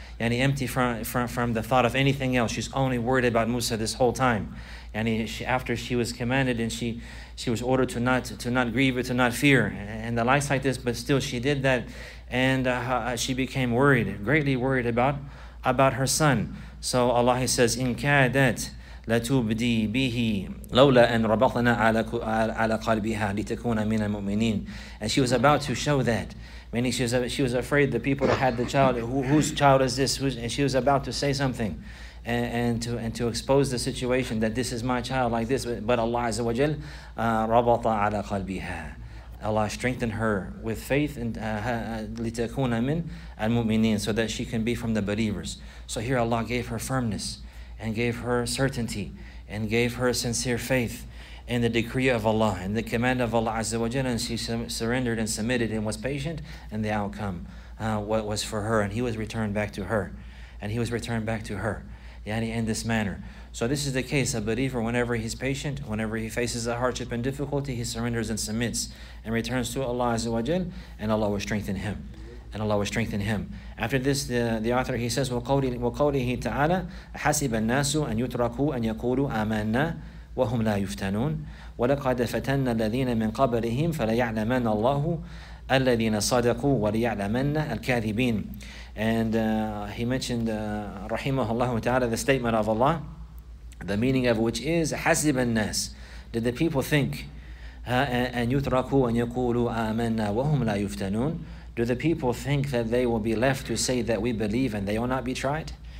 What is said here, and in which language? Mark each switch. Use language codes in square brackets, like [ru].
[en] Yani, empty from the thought of anything else. She's only worried about Musa this whole time. Yani, after she was commanded and she was ordered to not grieve or to not fear and the likes like this, but still she did that, and she became worried, greatly worried about her son. So Allah, he says, [ar] إِن كَادَتْ لَتُبْدِي بِهِ لَوْلَا أَن رَبَطْنَا عَلَى قَلْبِهَا لِتَكُونَ مِنَ الْمُؤْمِنِينَ. [en] And she was about to show that, meaning she was afraid the people that had the child, whose child is this? And she was about to say something and to expose the situation that this is my child like this. But Allah Azza wa Jal, [ar] رَبَطَ عَلَى قَلْبِهَا. [en] Allah strengthened her with faith and [ar] لِتَكُونَ مِنْ الْمُؤْمِنِينَ, [en] so that she can be from the believers. So here Allah gave her firmness and gave her certainty and gave her sincere faith in the decree of Allah and the command of Allah Azza wa Jalla, and she surrendered and submitted and was patient, and the outcome was for her, and he was returned back to her. Yani, in this manner. So this is the case, a believer, whenever he's patient, whenever he faces a hardship and difficulty, he surrenders and submits and returns to Allah Azza wa Jalla, and Allah will strengthen him. After this, the author, he says, [ar] وَقَوْلِهِ تَعَالَى حَسِبَ النَّاسُ أَن يُتْرَكُوا أَن يَقُولُوا آمَنَّا وَهُمْ لَا يُفْتَنُونَ وَلَقَدْ فَتَنَّ الَّذِينَ مِنْ قَبْلِهِمْ فَلَيَعْلَمَنَّ اللَّهُ الَّذِينَ صَدَقُوا وَلِيَعْلَمَنَّ الْكَاذِبِينَ. [en] And he mentioned, rahimahullahu ta'ala, the statement of Allah, the meaning of which is, [ar] حَسِبَ النَّاسُ, [en] did the people think, [ar] أَن يُتْرَكُوا أَن يَقُولُوا آمَنَّا وَهُمْ لَا يُفْتَنُونَ, [en] do the people think that they will be left to say that we believe and they will not be tried?